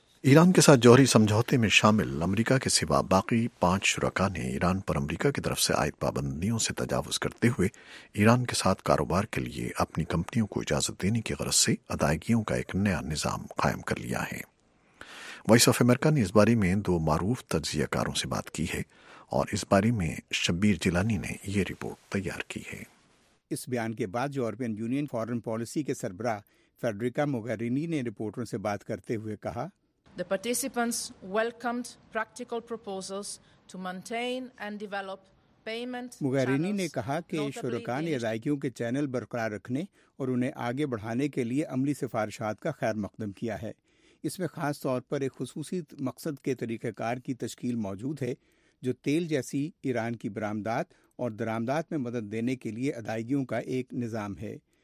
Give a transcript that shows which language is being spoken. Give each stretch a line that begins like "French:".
Urdu: ایران کے ساتھ جوہری سمجھوتے میں شامل امریکہ کے سوا باقی 5 شرکا نے ایران پر امریکہ کی طرف سے عائد پابندیوں سے تجاوز کرتے ہوئے ایران کے ساتھ کاروبار کے لیے اپنی کمپنیوں کو اجازت دینے کی غرض سے ادائیگیوں کا ایک نیا نظام قائم کر لیا ہے۔ وائس آف امریکہ نے اس بارے میں دو معروف تجزیہ کاروں سے بات کی ہے اور اس بارے میں شبیر جیلانی نے یہ رپورٹ تیار کی ہے۔ اس بیان کے بعد یورپین یونین فارن پالیسی کے سربراہ فیڈریکا موگیرینی نے رپورٹروں سے بات کرتے ہوئے کہا،
English: The participants welcomed practical proposals to maintain and develop payment channels.
Urdu: Mogherini نے کہا کہ شرکاء نے ادائیگیوں کے چینل برقرار رکھنے اور انہیں آگے بڑھانے کے لیے عملی سفارشات کا خیر مقدم کیا ہے۔ اس میں خاص طور پر ایک خصوصی مقصد کے طریقہ کار کی تشکیل موجود ہے جو تیل جیسی ایران کی برآمدات اور درآمدات میں مدد دینے کے لیے ادائیگیوں کا ایک نظام ہے۔